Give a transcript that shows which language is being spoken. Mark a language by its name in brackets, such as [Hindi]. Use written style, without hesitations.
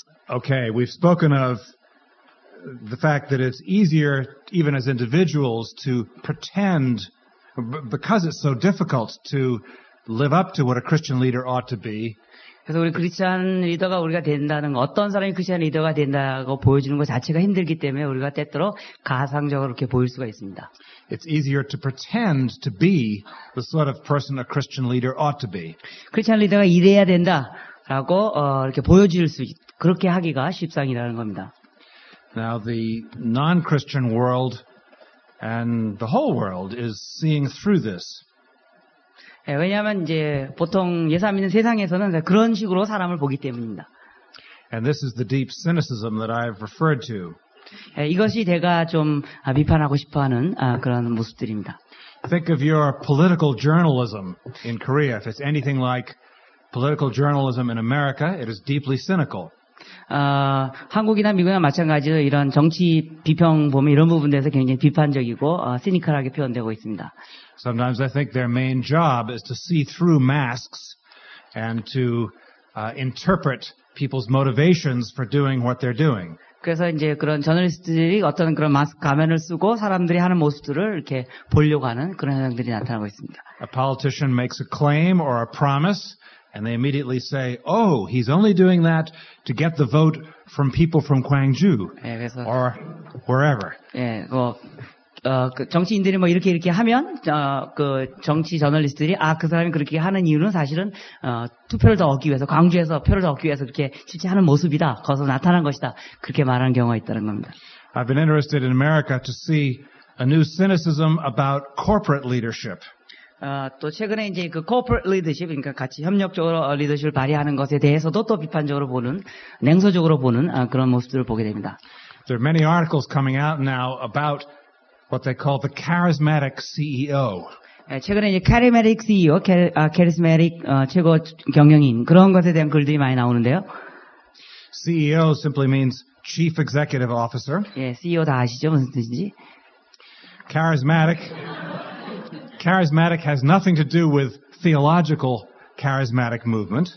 [English] Okay, we've spoken of the fact that it's easier, even as individuals, to pretend, because it's so difficult to live up to what a Christian leader ought to be. [Korean] 그래서 우리 크리스천 리더가 우리가 된다는 거, 어떤 사람이 크리스천 리더가 된다고 보여주는 것 자체가 힘들기 때문에 우리가 때때로 가상적으로 이렇게 보일 수가 있습니다. [English] It's easier to pretend to be the sort of person a Christian leader ought to be. [Korean] 크리스천 리더가 이래야 된다라고 이렇게 보여줄 수 그렇게 하기가 쉽상이라는 겁니다. [English] Now the non-Christian world and the whole world is seeing through this. [Korean] 예, 왜냐하면 이제 보통 예수 믿는 세상에서는 그런 식으로 사람을 보기 때문입니다. [English] And this is the deep cynicism that I've referred to. [Korean] 예, 이것이 제가 좀 비판하고 싶어하는 그런 모습들입니다. [English] Think of your political journalism in Korea. If it's anything like political journalism in America, it is deeply cynical. [Korean] 한국이나 미국이나 마찬가지로 이런 정치 비평 보면 이런 부분에서 굉장히 비판적이고 시니컬하게 표현되고 있습니다. [English] Sometimes I think their main job is to see through masks and to interpret people's motivations for doing what they're doing. [Korean] 그래서 이제 그런 저널리스트들이 어떤 그런 마스크 가면을 쓰고 사람들이 하는 모습들을 이렇게 보려고 하는 그런 현상들이 나타나고 있습니다. [English] A politician makes a claim or a promise. And they immediately say, oh, he's only doing that to get the vote from people from Gwangju or wherever. [Korean] 예, 그 정치인들이 뭐 이렇게 하면, 그 정치 저널리스트들이, 아, 그 사람이 그렇게 하는 이유는 사실은, 투표를 더 얻기 위해서, 광주에서 표를 더 얻기 위해서 그렇게 실제 하는 모습이다. 거기서 나타난 것이다. 그렇게 말하는 경우가 있다는 겁니다. [English] I've been interested in America to see a new cynicism about corporate leadership. [Korean] 또 최근에 이제 그 [English] corporate leadership, [Korean] 그러니까 같이 협력적으로 leadership을 발휘하는 것에 대해서도 또 비판적으로 보는, 냉소적으로 보는 그런 모습들을 보게 됩니다. [English] There are many articles coming out now about what they call the charismatic CEO. [Korean] 최근에 이제 charismatic CEO, charismatic 최고 경영인 그런 것에 대한 글들이 많이 나오는데요. [English] CEO simply means chief executive officer. [Korean] 예, CEO 다 아시죠? 무슨 뜻인지? [English] Charismatic. Charismatic has nothing to do with theological charismatic movement.